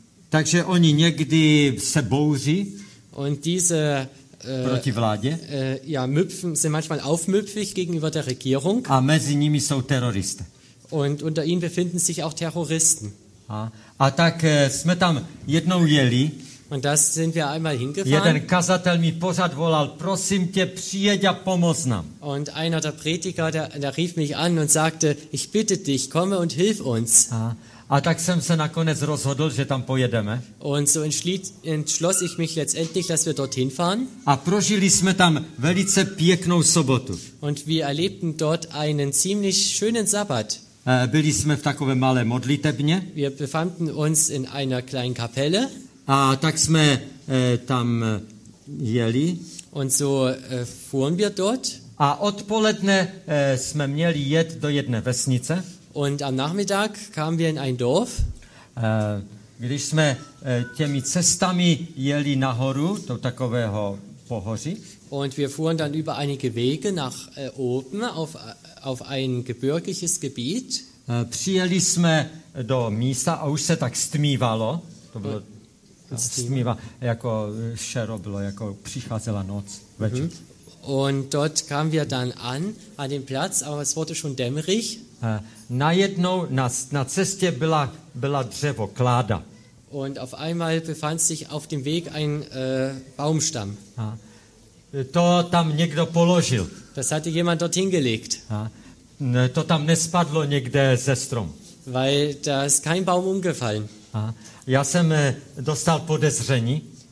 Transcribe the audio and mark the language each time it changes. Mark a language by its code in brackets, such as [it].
[cs] Takže oni někdy se bouří. [de] Und diese [cs] proti vládě. [de] Ja, müpfen, sind manchmal aufmüpfig gegenüber der Regierung. [cs] A mezi nimi jsou teroristé. [de] Und unter ihnen befinden sich auch Terroristen. [cs] A tak jsme tam jednou jeli. [de] Und da sind wir einmal hingefahren. [cs] Jeden kazatel mi pořád volal, prosím tě, přijeď a pomoz nám. [de] Und einer der Prediger, der rief mich an und sagte, ich bitte dich, komme und hilf uns. [cs] A tak jsem se nakonec rozhodl, že tam pojedeme. [de] Und so entschloss ich mich letztendlich, dass wir dorthin fahren. [cs] A prožili jsme tam velice pěknou sobotu. [de] Und wir erlebten dort einen ziemlich schönen Sabbat. [cs] Byli jsme v takové malé modlitebně. [de] Wir befanden uns in einer kleinen Kapelle. [cs] A tak jsme tam jeli. [de] Und so fuhren wir dort. [cs] A odpoledne jsme měli jet do jedné vesnice. [de] Und am Nachmittag kamen wir in ein Dorf. [cs] Když jsme těmi cestami jeli nahoru do takového pohoří. [de] Und wir fuhren dann über einige Wege nach oben auf ein gebirgiges Gebiet. [cs] Přijeli jsme do místa a už se tak stmívalo. To bylo stmíva, jako šero bylo, jako přicházela noc, večer. Mm-hmm. [de] Und dort kamen wir dann an den Platz, aber es wurde schon dämmerig. [cs] Najednou na cestě byla dřevo, kláda. [de] Und auf einmal befand sich auf dem Weg ein Baumstamm. [cs] To tam někdo položil. [de] Das hatte jemand dorthin gelegt. [cs] To tam nespadlo někde ze strom. [de] Weil da ist kein Baum umgefallen. [cs] Já jsem dostal podezření.